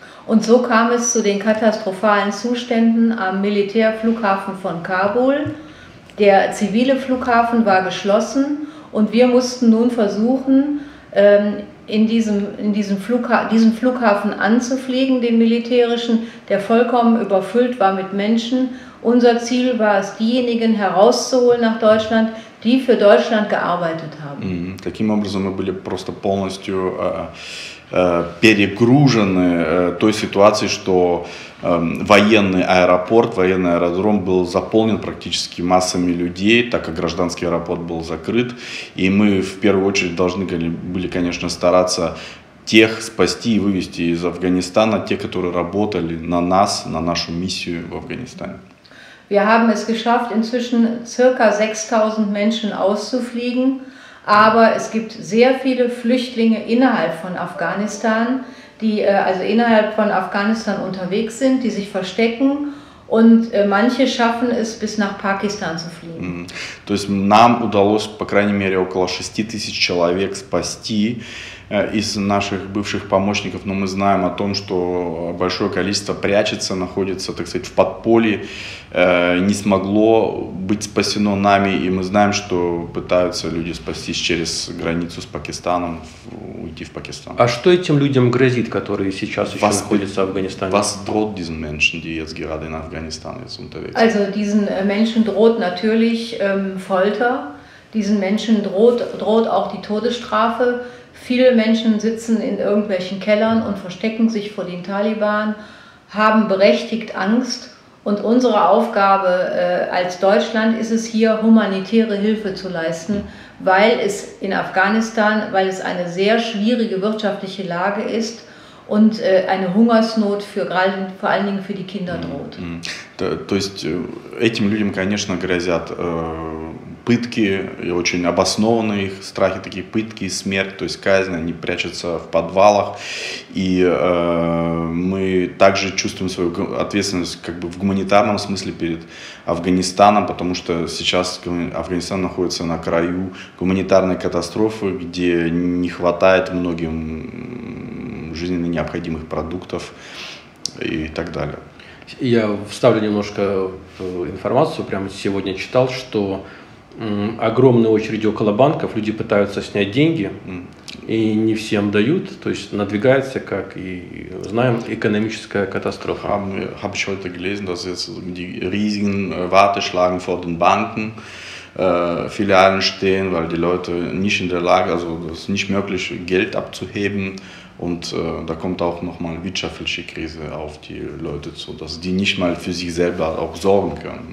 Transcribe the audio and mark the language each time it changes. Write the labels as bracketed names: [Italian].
[German] Und so kam es zu den katastrophalen Zuständen am Militärflughafen von Kabul. Der zivile Flughafen war geschlossen und wir mussten nun versuchen, diesen Flughafen anzufliegen, den militärischen, der vollkommen überfüllt war mit Menschen. Unser Ziel war es, diejenigen herauszuholen nach Deutschland, die für Deutschland gearbeitet haben. [Russian] Таким образом, мы были просто полностью перегружены той ситуацией, что военный аэропорт, военный аэродром был заполнен практически массами людей, так как гражданский аэропорт был закрыт. И мы в первую очередь должны были, конечно, стараться тех спасти и вывести из Афганистана, те, которые работали на нас, на нашу миссию в Афганистане. [German] Wir haben es geschafft, inzwischen ca. 6000 Menschen auszufliegen. Aber es gibt sehr viele Flüchtlinge innerhalb von Afghanistan, die also innerhalb von Afghanistan unterwegs sind, die sich verstecken. Und manche schaffen es, bis nach Pakistan zu fliegen. [Russian] То есть нам удалось, по крайней мере, около 6000 человек спасти из наших бывших помощников. Но мы знаем о том, что большое количество прячется, находится, так сказать, в подполье, не смогло быть спасено нами. И мы знаем, что пытаются люди спастись через границу с Пакистаном, уйти в Пакистан. А что этим людям грозит, которые сейчас еще находятся в Афганистане? [German] Was droht diesen Menschen, die jetzt gerade in Afghanistan jetzt unterwegs sind? Also diesen Menschen droht natürlich Folter. Diesen Menschen droht auch die Todesstrafe. Viele Menschen sitzen in irgendwelchen Kellern und verstecken sich vor den Taliban, haben berechtigt Angst. Und unsere Aufgabe als Deutschland ist es hier, humanitäre Hilfe zu leisten, weil es in Afghanistan, weil es eine sehr schwierige wirtschaftliche Lage ist und eine Hungersnot vor allen Dingen für die Kinder droht. [Russian] То есть этим людям, конечно, грозят пытки, и очень обоснованные их страхи, такие пытки, смерть, то есть казнь, они прячутся в подвалах. И мы также чувствуем свою ответственность как бы в гуманитарном смысле перед Афганистаном, потому что сейчас Афганистан находится на краю гуманитарной катастрофы, где не хватает многим жизненно необходимых продуктов и так далее. Я вставлю немножко информацию, прямо сегодня читал, что огромные очереди около банков, люди пытаются снять деньги и не всем дают, то есть надвигается, как и знаем, экономическая катастрофа. [German] Habe ich heute gelesen, dass jetzt die riesigen Warteschlangen vor den Banken, Filialen stehen, weil die Leute nicht in der Lage, also es nicht möglich, Geld abzuheben. Und da kommt auch nochmal eine wirtschaftliche Krise auf die Leute zu, dass die nicht mal für sich selber auch sorgen können.